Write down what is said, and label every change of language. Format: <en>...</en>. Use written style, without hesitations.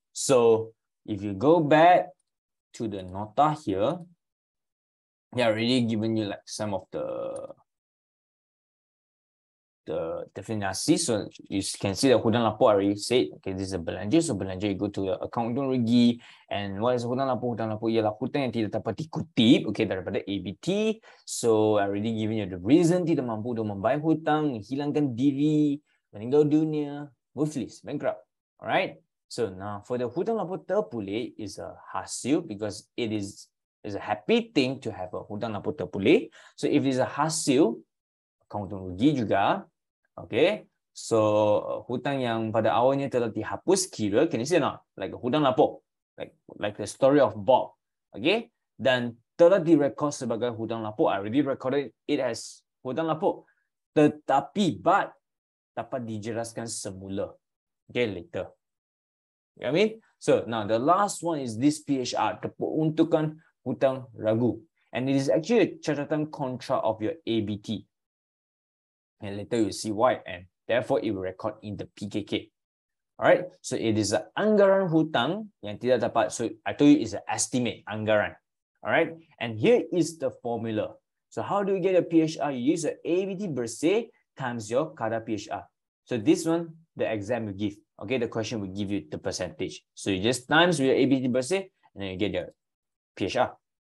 <en>So if you go back to the Nota here, they already given you like some of the definasi. So you can see the hutang lapuk already said, okay, this is a belanja. So belanja, you go to the account rugi. And what is hutang lapuk?</en> <ms>Hutang lapuk ialah hutang yang tidak dapat dikutip, okay, daripada ABT.</ms> <en>So I already given you the reason</en> <ms>tidak mampu untuk membayar hutang, hilangkan diri, meninggal dunia,</ms> <en>worthless, bankrupt. All right. So now for the hutang lapuk terpulih is a hasil, because it is a happy thing to have a hutang lapuk terpulih. So if it's a hasil, account rugi juga,</en> <ms>Okay, so hutang yang pada awalnya telah dihapus kira,</ms> <en>can you see or not? Like hutang lapuk, like the story of Bob. Okay,</en> <ms>dan telah direkod sebagai hutang lapuk.</ms> <en>I already recorded it as hutang lapuk. Tetapi, but</en> <ms>dapat dijelaskan semula.</ms> <en>Okay, later. You know what I mean? So now the last one is this PHR, the Peruntukan Hutang Ragu. And it is actually a catatan kontra of your ABT. And later you'll see why. And therefore, it will record in the PKK. Alright? So it is an</en> <ms>anggaran hutang yang tidak dapat.</ms> <en>So I told you it's an estimate, anggaran. Alright? And here is the formula. So how do you get a PHR? You use an ABT bersih times your kadar PHR. So this one, the exam will give. Okay, the question will give you the percentage. So you just times with your ABT bersih and then you get your PHR.</en>